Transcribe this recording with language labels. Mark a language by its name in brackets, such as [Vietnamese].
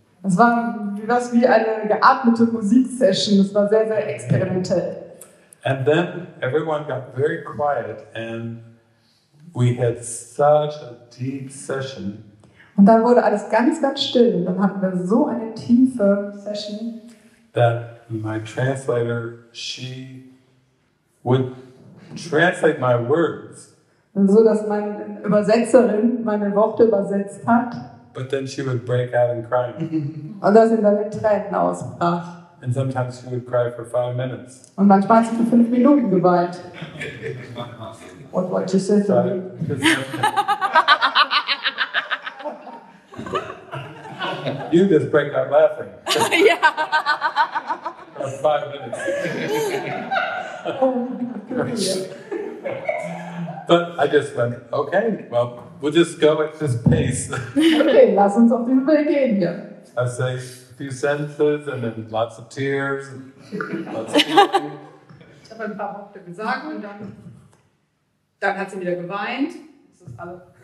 [German] Es war etwas wie eine geatmete Musiksession, es war sehr, sehr experimentell. [English] And then everyone got very quiet and we had such a deep session. [German] Und dann wurde alles ganz, ganz still. Dann hatten wir so eine tiefe Session. [English] That my translator, she would translate my words. [German] Und so, dass meine Übersetzerin meine Worte übersetzt hat. [English] But then she would break out in crying. [German] Und dann sind dann in Tränen ausbrach. [English] And sometimes she would cry for 5 minutes. [German] Und manchmal hat sie für 5 Minuten geweint. [English] What you said to me? You just break out laughing. Yeah. For 5 minutes. But I just went, okay, well, we'll just go at this pace. [German] Okay, lass uns auf diesen Weg gehen hier. [English] I say a few sentences and then lots of tears. [German] Ich habe ein paar Worte gesagt und dann hat sie wieder geweint. Das ist alles.